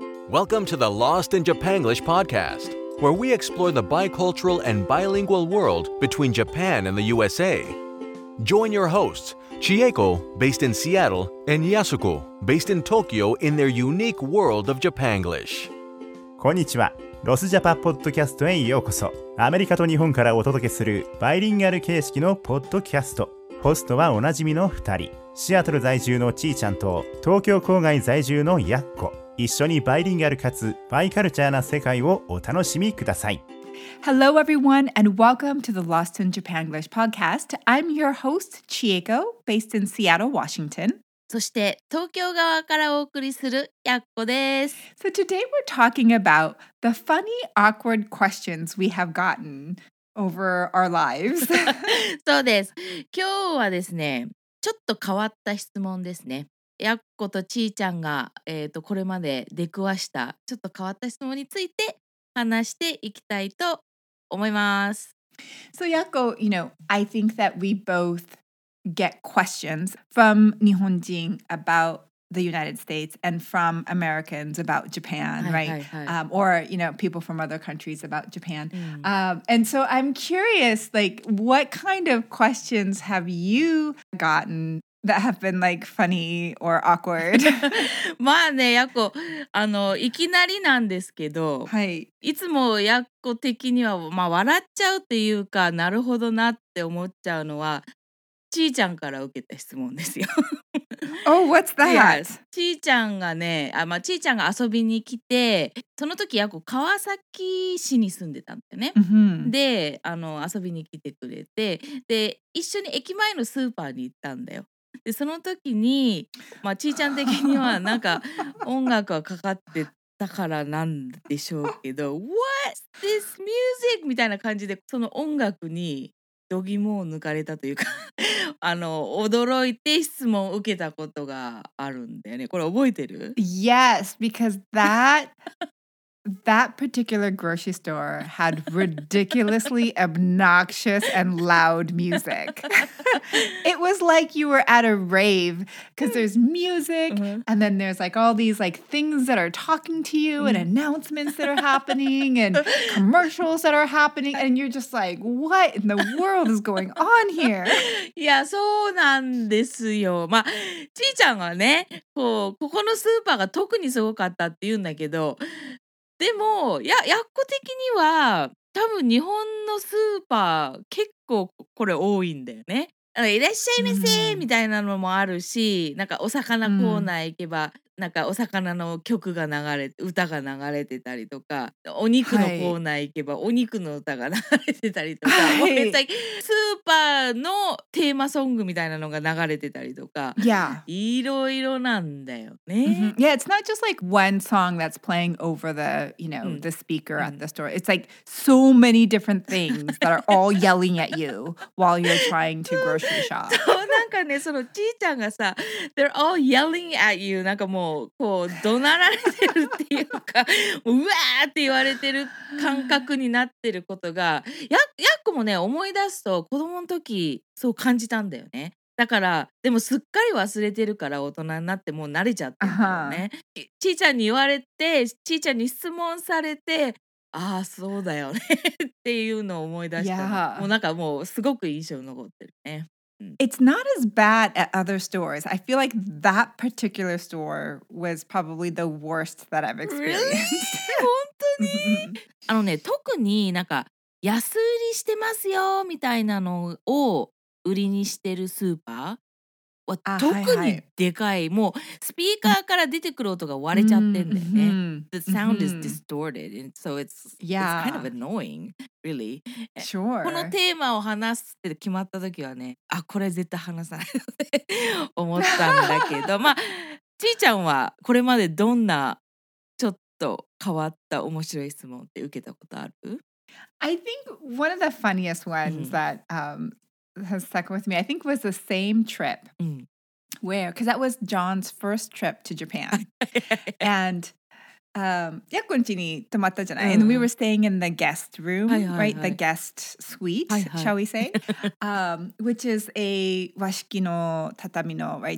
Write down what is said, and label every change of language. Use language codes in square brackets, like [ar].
[en] Welcome to the Lost in Japan English podcast, where we explore the bicultural and bilingual world between Japan and the USA. Join your hosts, Chieko, based in Seattle, and Yasuko, based in Tokyo, in their unique world of Japanglish. [ja] こんにちは。ロスジャパポッドキャストへようこそ。アメリカと日本からお届けするバイリンガル形式のポッドキャスト。ホストはおなじみの2人、シアトル在住のちーちゃんと東京郊外在住のやっこ。一緒にバイリンガルかつバイカルチャーな世界をお楽しみください。 [en] Hello everyone and welcome to the Lost in Japan English podcast. I'm your host Chieko, based in Seattle, Washington. [ja] そして東京側からお送りするやっこです。 [en] So today we're talking about the funny, awkward questions we have gotten over our lives. [ja] そうです。今日はですね、ちょっと変わった質問ですね。やっことちーちゃんが、これまで出くわしたちょっと変わった質問について話していきたいと思います。 [en] So Yakko, you know, I think that we bothget questions from Nihonjin about the United States and from Americans about Japan, right? Or, you know, people from other countries about Japan. And so I'm curious, like, what kind of questions have you gotten that have been, like, funny or awkward? [ja] まあね、ヤコ、いきなりなんですけど、はい、いつもヤコ的には、まあ、笑っちゃうっていうか、なるほどなって思っちゃうのは、ちーちゃんから受けた質問ですよ。 [en] Oh, what's that? Yes. [ja] ちーちゃんがね、まあ、ちーちゃんが遊びに来て、その時やっこ川崎市に住んでたんだよね。 Mm-hmm. で、遊びに来てくれて、で、一緒に駅前のスーパーに行ったんだよ。で、その時に、まあ、ちーちゃん的にはなんか音楽はかかってたからなんでしょうけど、 [en] What's this music? [ja] みたいな感じで、その音楽に、度肝を抜かれたというか驚いて質問を受けたことがあるんだよね。これ覚えてる？ [en] Yes, because that particular grocery store had ridiculously obnoxious and loud music. It was like you were at a rave because there's music and then there's like all these like things that are talking to you and announcements that are happening and commercials that are happening and you're just like, what in the world is going on here? [ja] Yeah, そうなんですよ。まあ、ちーちゃんはね、こう、ここのスーパーが特にすごかったって言うんだけど、でも、やっこ的には、多分日本のスーパー、結構これ多いんだよね。いらっしゃいませみたいなのもあるし、なんかお魚コーナー行けば、なんかお魚の曲が流れて、歌が流れてたりとか、お肉のコーナー行けば、お肉の歌が流れてたりとか、はい、もう絶対スーパーのテーマソングみたいなのが流れてたりとか、 yeah. いろいろなんだよね。 Mm-hmm. [en] Yeah, it's not just like one song that's playing over the, you know, the speaker at the store. It's like so many different things that are all yelling at you while you're trying to grocery shop. [ja] そう、なんかね、そのちーちゃんがさ、 [en] they're all yelling at you, [ja] なんかもうこう怒鳴られてるっていうか、もううわーって言われてる感覚になってることが、やっこもね、思い出すと子供の時そう感じたんだよね。だからでもすっかり忘れてるから大人になってもう慣れちゃってるんだよね。ちーちゃんに言われて、ちーちゃんに質問されて、ああそうだよねっていうのを思い出した、 yeah. もうなんかもうすごく印象残ってるね。 [en] It's not as bad at other stores. I feel like that particular store was probably the worst that I've experienced. Really? [ja] 本当に？あのね、特になんか安売りしてますよみたいなのを売りにしてるスーパーは特にでかい。はいはい、もうスピーカーから出てくる音が割れちゃってんだよね。 [en] The sound is distorted, and so it's kind of annoying. Really? Sure. [ja] このテーマを話すって決まった時はね、あ、これ絶対話さないと思ったんだけど、まあ、ちーちゃんはこれまでどんなちょっと変わった面白い質問って受けたことある？ [en] I think one of the funniest ones that has stuck with me, I think was the same trip. Where? Because that was John's first trip to Japan. And [ja] ヤクンチに泊まったじゃない、うん、 [en] And we were staying in the guest room、 [ja] はいはいはい、 [en] right? The guest suite、 [ja] はいはい、 [en] shall we say? 、which is a [ja] 和式の畳の、 [en] right?